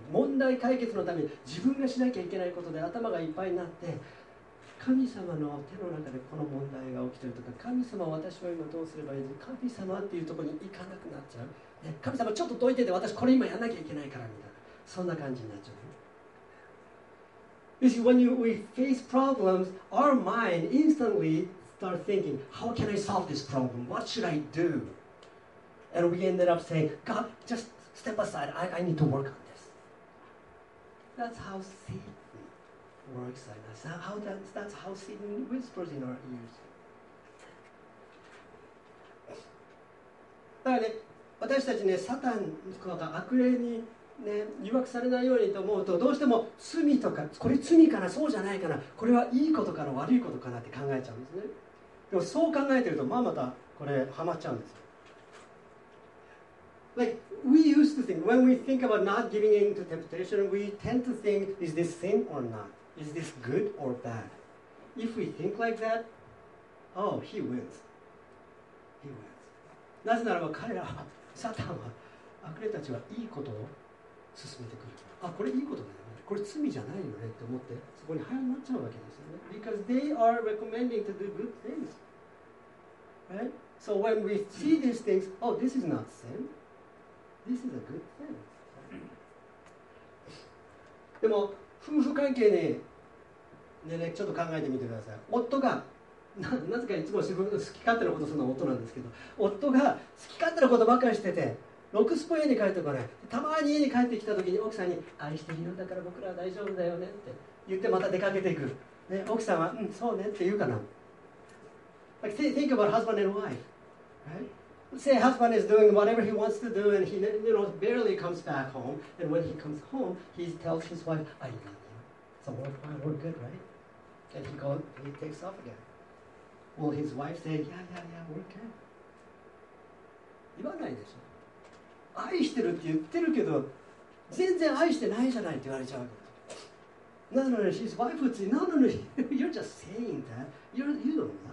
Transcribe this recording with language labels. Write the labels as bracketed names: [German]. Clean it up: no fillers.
[Japanese] 問題解決のために自分がしなきゃいけないことで頭がいっぱいになって、神様の手の中でこの問題が起きているとか、神様私は今どうすればいいの、神様っていうところに行かなくなっちゃう、ね、神様ちょっとどいてて、私これ今やらなきゃいけないからみたいな、そんな感じになっちゃう。 [English] You see, when we face problems, our mind instantly starts thinking, how can I solve this problem? What should I dodo? And we ended up saying, God, just step aside. I need to work on this. That's how Satan works on us. That's how Satan whispers in our ears. [Japanese] だからね、私たちね、サタンとか悪霊にね、誘惑されないようにと思うと、どうしても罪とか、これ罪かな、そうじゃないかな、これはいいことかな、悪いことかなって考えちゃうんですね。でもそう考えてると、まあまたこれハマっちゃうんですよ。 [English] Like, we used to think, when we think about not giving in to temptation, we tend to think, is this sin or not? Is this good or bad? If we think like that, oh, he wins. He wins. [Japanese] なぜならば彼らは、サタンは、悪霊たちはいいことを進めてくる。あ、これいいことだよね。これ罪じゃないよねって思って、そこに早まっちゃうわけですよね。 [English] Because they are recommending to do good things. Right? So when we see these things, oh, this is not sin. This is a good thing. [Japanese] でも夫婦関係に、ね、ちょっと考えてみてください。夫が なぜかいつも自分の好き勝手なことするのは夫なんですけど、夫が好き勝手なことばっかりしてて、ロクスポ家に帰ってこない、たまに家に帰ってきた時に奥さんに愛してるんだから僕らは大丈夫だよねって言ってまた出かけていく、ね、奥さんはうんそうねって言うかな。 [English] Like, think about husband and wife, right? Say husband is doing whatever he wants to do and he, you know, barely comes back home, and when he comes home, he tells his wife, I love you, so we're fine, we're good, right? And he goes, and he takes off again. Will his wife say, yeah, we're good? [Japanese] 言わないでしょ。愛してるって言ってるけど、全然愛してないじゃないって言われちゃうけど。なのに、 [English] his wife would say, no, you're just saying that, you don't love me.